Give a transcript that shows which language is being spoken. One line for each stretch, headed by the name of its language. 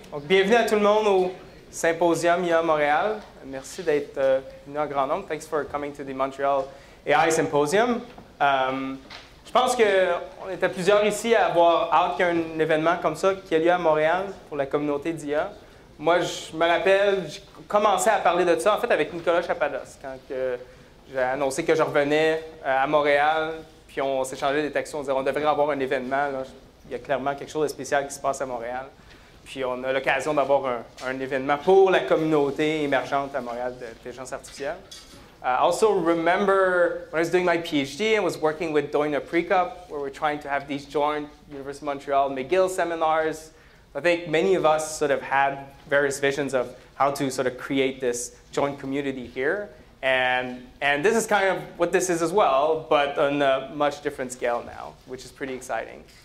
French: Donc, bienvenue à tout le monde au Symposium IA Montréal. Merci d'être venu en grand nombre.
English: Thanks for coming to the Montreal AI Symposium.
French: Je pense qu'on était plusieurs ici à avoir hâte qu'un événement comme ça qui a lieu à Montréal pour la communauté d'IA. Moi, je me rappelle, j'ai commencé à parler de ça, en fait, avec Nicolas Chapados, quand j'ai annoncé que je revenais à Montréal. Puis on s'est changé des textos, on disait, on devrait avoir un événement. Là. Il y a clairement quelque chose de spécial qui se passe à Montréal. Puis on a l'occasion d'avoir un événement pour la communauté émergente à Montréal d'intelligence artificielle.
English: Also, remember when I was doing my PhD, I was working with Doina Precup, where we're trying to have these joint University of Montreal McGill seminars. I think many of us sort of had various visions of how to sort of create this joint community here. And this is kind of what this is as well, but on a much different scale now, which is pretty exciting.